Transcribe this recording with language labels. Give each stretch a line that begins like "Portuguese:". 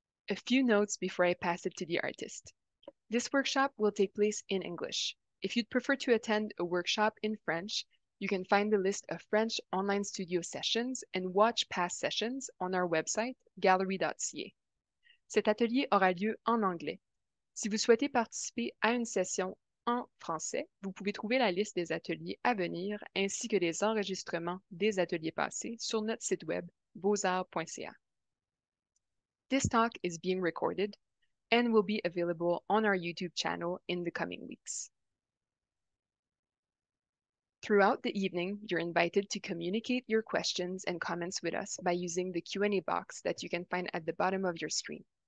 English: A few notes before I pass it to the artist. This workshop will take place in English. If you'd prefer to attend a workshop in French, you can find the list of French online studio sessions and watch past sessions on our website, gallery.ca.
French: Cet atelier aura lieu en anglais. Si vous souhaitez participer à une session en français, vous pouvez trouver la liste des ateliers à venir ainsi que les enregistrements des ateliers passés sur notre site web, beauxarts.ca.
English: This talk is being recorded and will be available on our YouTube channel in the coming weeks. Throughout the evening, you're invited to communicate your questions and comments with us by using the Q&A box that you can find at the bottom of your screen.